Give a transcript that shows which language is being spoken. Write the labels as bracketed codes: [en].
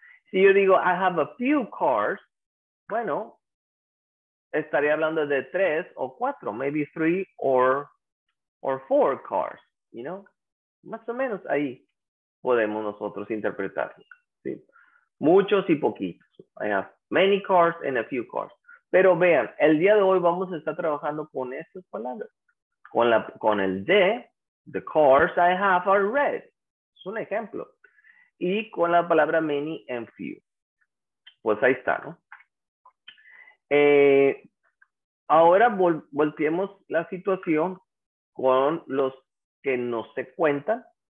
[es] Si yo digo, [en] I have a few cars, [es] bueno, estaría hablando de tres o cuatro, [en] maybe three or four cars, you know? [es] Más o menos ahí podemos nosotros interpretarlo, ¿sí? Muchos y poquitos. [en] I have many cars and a few cars. [es] Pero vean, el día de hoy vamos a estar trabajando con estas palabras. Con el de, [en] the cars I have are red. [es] Es un ejemplo. Y con la palabra many and few. Pues ahí está, ¿no? Ahora volteemos la situación con los que no se cuentan.